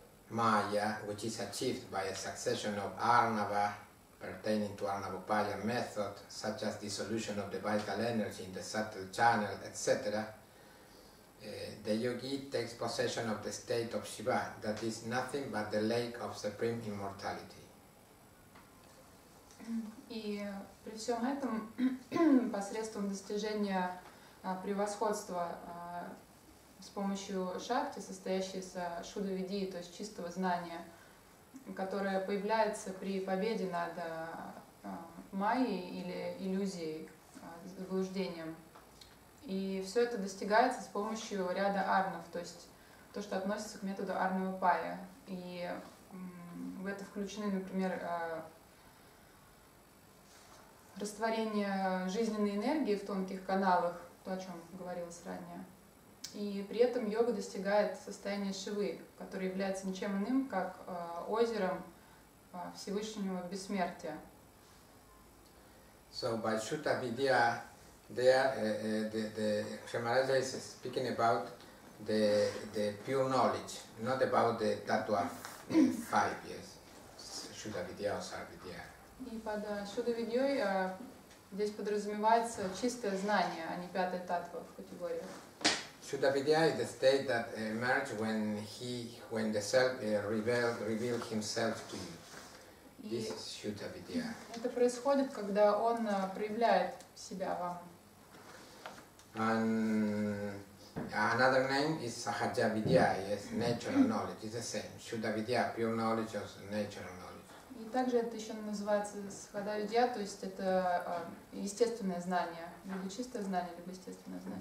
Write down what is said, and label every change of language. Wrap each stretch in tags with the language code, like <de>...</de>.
<en>maya, which is achieved by a succession of arnava, pertaining to Arnavopaya method, such as dissolution of the vital energy in the subtle channel, etc., the yogi takes possession of the state of Shiva, that is nothing but the lake of supreme immortality.</en> <ru>И при всем этом, посредством достижения превосходства с помощью шакти, состоящей из шудавиди, то есть чистого знания, которая появляется при победе над майей или иллюзией, заблуждением. И все это достигается с помощью ряда арнов, то есть то, что относится к методу арнавопая. И в это включены, например, растворение жизненной энергии в тонких каналах, то, о чем говорилось ранее. И при этом йога достигает состояния Шивы, которое является ничем иным, как озером Всевышнего Бессмертия.</ru> <en>So by Shuddha Vidya, the Shri Maharaja is speaking about the pure knowledge, not about the tattva five years. Shuddha Vidya or Sarvidya.</en> <ru>И под Shuddha Vidyai здесь подразумевается чистое знание, а не пятая таттва в категории.</ru> <en>Shuddha Vidya is the state that emerges when the self reveals himself to you. This is Shuddha Vidya.</en> <ru>Это происходит, когда он проявляет себя вам.</ru> <en>And another name is Sahaja Vidya, yes, natural knowledge. It's the same. Shuddha Vidya, pure knowledge of natural knowledge.</en> <ru>И также это еще называется Sahaja Vidya, то есть это естественное знание, либо чистое знание, либо естественное знание.</ru>